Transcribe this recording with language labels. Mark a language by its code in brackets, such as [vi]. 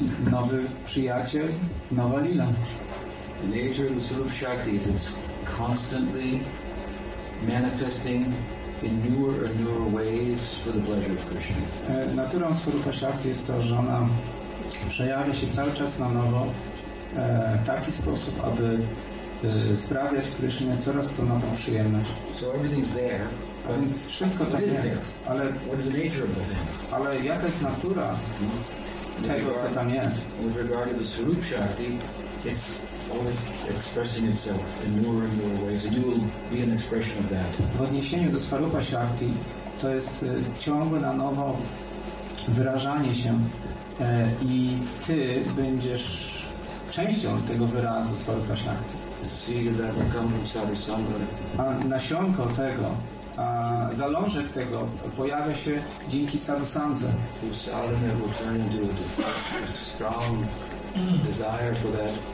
[pl] Nowy przyjaciel, nowa lila. [en] The nature of the Surup Shakti is it's constantly manifesting in newer and newer ways for the pleasure of Krishna. [pl] Naturą Surupa Shakti jest to, że ona przejawia się cały czas na nowo w taki sposób, aby sprawiać Krishnie coraz to nową przyjemność. [en] So everything's there. [pl] A więc wszystko tam jest, ale, [en] what is the nature of the thing? [pl] Ale jaka jest natura tego, co tam jest? [en] With regard to the Surup Shakti, it's always expressing itself in newer and newer ways, and you will be an expression of that. [pl] W odniesieniu do Swarupa Shakti, to jest ciągle na nowo wyrażanie się, i ty będziesz częścią tego wyrazu Swarupa Shakti. [en] The seed of that will come from Sadhu Sangha. [pl] A nasionko tego, a zalążek tego pojawia się dzięki Sadhu Sandze. [en] Through sadhana will turn into a strong desire for that.